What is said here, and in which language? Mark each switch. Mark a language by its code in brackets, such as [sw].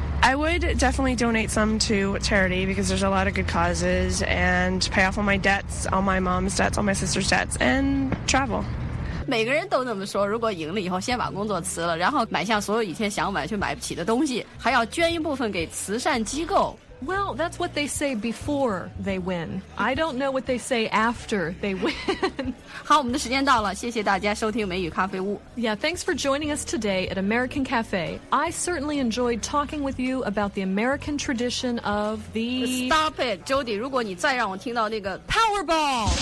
[en] I would definitely donate some to charity because there's a lot of good causes and pay off all my debts, all my mom's debts, all my sister's debts, and travel. [zh] 每个人都那么说，如果赢了以后先把工作辞了，然后买下所有以前想买却买不起的东西，还要捐一部分给慈善机构。 [en] Well, that's what they say before they win. I don't know what they say after they win. [zh] 好，我们的时间到了，谢谢大家收听美语咖啡屋。 [en] Yeah, thanks for joining us today at American Cafe. I certainly enjoyed talking with you about the American tradition of the... [zh] Stop it, Jody, 如果你再让我听到那个 Powerball!